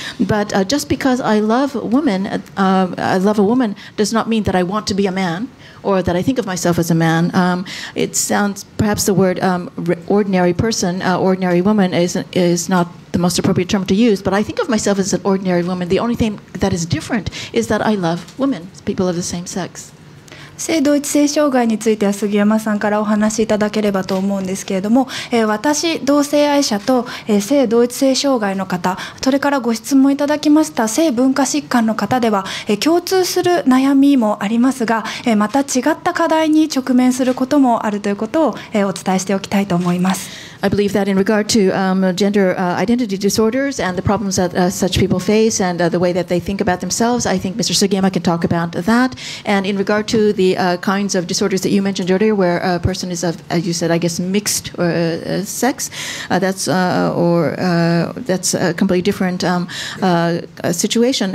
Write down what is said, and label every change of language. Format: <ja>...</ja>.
<en>But just because I love women, I love a woman, does not mean that I want to be a man or that I think of myself as a man. It sounds perhaps the word ordinary person, ordinary woman, is not the most appropriate term to use. But I think of myself as an ordinary woman. The only thing that is different is that I love women, people of the same sex.</en> <ja>性同一性障害については杉山さんからお話しいただければと思うんですけれども、私同性愛者と、性同一性障害の方、それからご質問いただきました性文化疾患の方では、共通する悩みもありますが、また違った課題に直面することもあるということを、お伝えしておきたいと思います。</ja> <en>I believe that in regard to gender identity disorders and the problems that such people face and the way that they think about themselves, I think Mr. Sugiyama can talk about that. And in regard to the kinds of disorders that you mentioned earlier, where a person is, of, as you said, I guess, mixed sex, that's a completely different situation.</en>